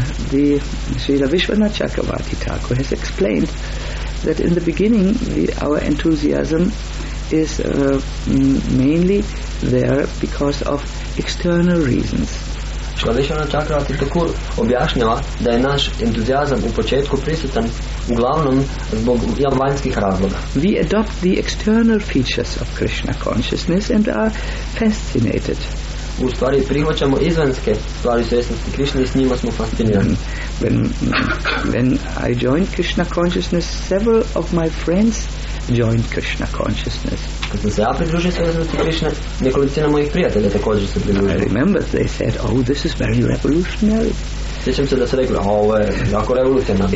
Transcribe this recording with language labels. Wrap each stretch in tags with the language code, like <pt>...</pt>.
<en>The Srila Vishwana Chakravarti Thakur has explained that in the beginning our enthusiasm is mainly there because of external reasons.</en> <hr>Srila Vishwana Chakravarti Thakur objašnjava da je naš entuzijazam u početku prisutan uglavnom zbog vanjskih razloga.</hr> <en>We adopt the external features of Krishna consciousness and are fascinated.</en> <hr>U stvari prihvaćamo izvanjske stvari svjesnosti Krišne i s njima smo fascinirani.</hr> <en>When I joined Krishna consciousness, several of my friends joined Krishna consciousness.</en> <hr>Kad sam se ja pridružio svjesnosti Krišne, nekolicina mojih prijatelja također se pridružila.</hr> <en>I remember they said, oh, this is very revolutionary.</en> <hr>Sjećam se da su rekli, ovo je jako revolucionarno.</hr>